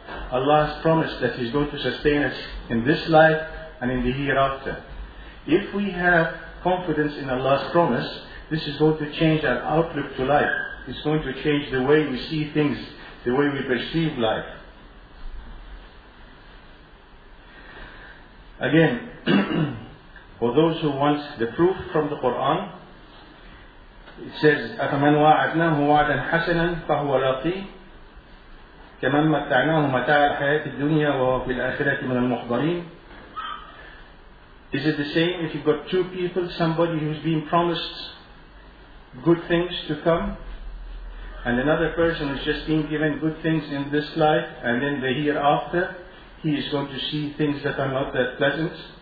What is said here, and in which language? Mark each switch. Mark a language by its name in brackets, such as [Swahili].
[English] Allah has promised that He's going to sustain us in this life and in the hereafter. If we have confidence in Allah's promise, this is going to change our outlook to life. It's going to change the way we see things, the way we perceive life. Again, for those who want the proof from the Quran, it says, [Arabic] أَفَمَنْ وَاعَدْنَاهُ وَعَدًا حَسَنًا فَهُوَ لَقِيهِ كَمَنْ مَتَّعْنَاهُ مَتَاعَ الْحَيَاةِ الدُّنْيَا وَهُوَ فِي الْآخِرَةِ مِنَ الْمُحْضَرِينَ. [English] Is it the same if you've got two people, somebody who's been promised good things to come, and another person who's just been given good things in this life, and then the hereafter, he is going to see things that are not that pleasant.